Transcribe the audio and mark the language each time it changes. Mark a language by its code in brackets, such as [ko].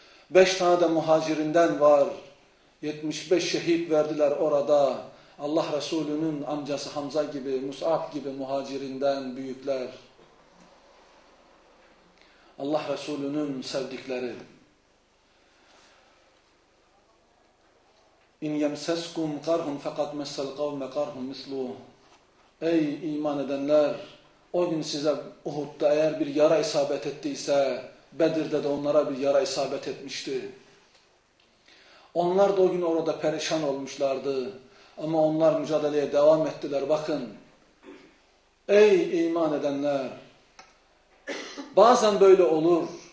[tr] 5 tane de Muhacir'inden var. 75 şehit verdiler orada. Allah Resulü'nün amcası Hamza gibi, Mus'ab gibi Muhacir'inden büyükler. Allah Resulü'nün sevdikleri. [ar] اِنْ يَمْسَسْكُمْ قَرْهُمْ فَقَدْ مَسَّ الْقَوْمَ قَرْهُمْ مِثْلُهُ [tr] Ey iman edenler! O gün size Uhud'da eğer bir yara isabet ettiyse, Bedir'de de onlara bir yara isabet etmişti. Onlar da o gün orada perişan olmuşlardı. Ama onlar mücadeleye devam ettiler. Bakın! Ey iman edenler! Bazen böyle olur.